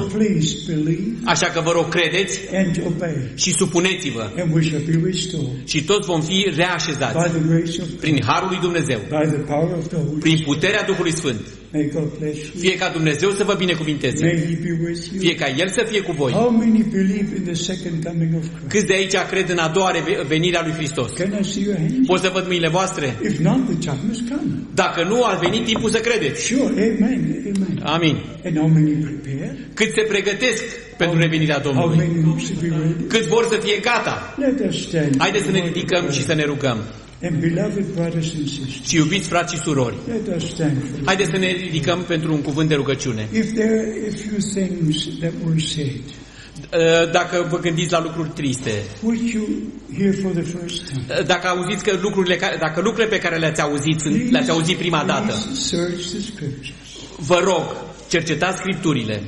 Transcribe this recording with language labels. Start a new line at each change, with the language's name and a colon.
English: So please believe.
Romanian: Așa că vă rog, credeți
English: and obey.
Romanian: Și supuneți-vă.
English: And we shall be restored.
Romanian: Și toți vom fi reașezați.
English: By the grace of God.
Romanian: Prin harul lui Dumnezeu.
English: By the power of the Holy Spirit.
Romanian: Prin puterea Duhului Sfânt.
English: May God bless you.
Romanian: Fie ca Dumnezeu să vă binecuvinteze.
English: May he be with you.
Romanian: Fie ca El să fie cu voi.
English: How many believe in the second coming of Christ?
Romanian: Câți de aici cred în a doua venire a lui Hristos?
English: Can I see your hands?
Romanian: Pot să văd mâinile voastre?
English: If not, the time has come.
Romanian: Dacă nu, a venit timpul să credeți.
English: Sure. Amen. Amen.
Romanian: Amin.
English: And how many prepare?
Romanian: Cât se pregătesc pentru revenirea Domnului? Cât vor să fie gata?
English: Let us stand.
Romanian: Haideți să ne ridicăm și să ne rugăm.
English: And beloved brothers and sisters,
Romanian: și iubiți frați și surori,
English: let us stand.
Romanian: Haideți să ne ridicăm pentru un cuvânt de rugăciune.
English: If there are a few things that were said,
Romanian: dacă vă gândiți la lucruri triste,
English: would you hear for the first time,
Romanian: dacă auziți că lucrurile care, dacă lucrurile pe care le-ați auzit,
English: please,
Romanian: le-ați auzit prima dată,
English: search the scriptures.
Romanian: Vă rog, cercetați Scripturile.